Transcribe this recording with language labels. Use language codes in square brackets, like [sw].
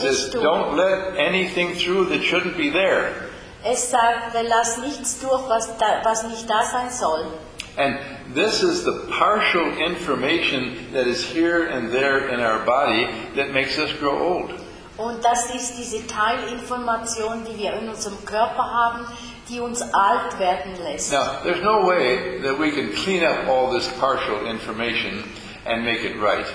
[en] Says, don't let anything through that shouldn't be there. [de] Es sagt, lass nichts durch, was nicht da sein soll. [en] And this is the partial information that is here and there in our body that makes us grow old. [de] Und das ist diese Teilinformation, die wir in unserem Körper haben, die uns alt werden lässt. [en] Now, there's no way that we can clean up all this partial information and make it right.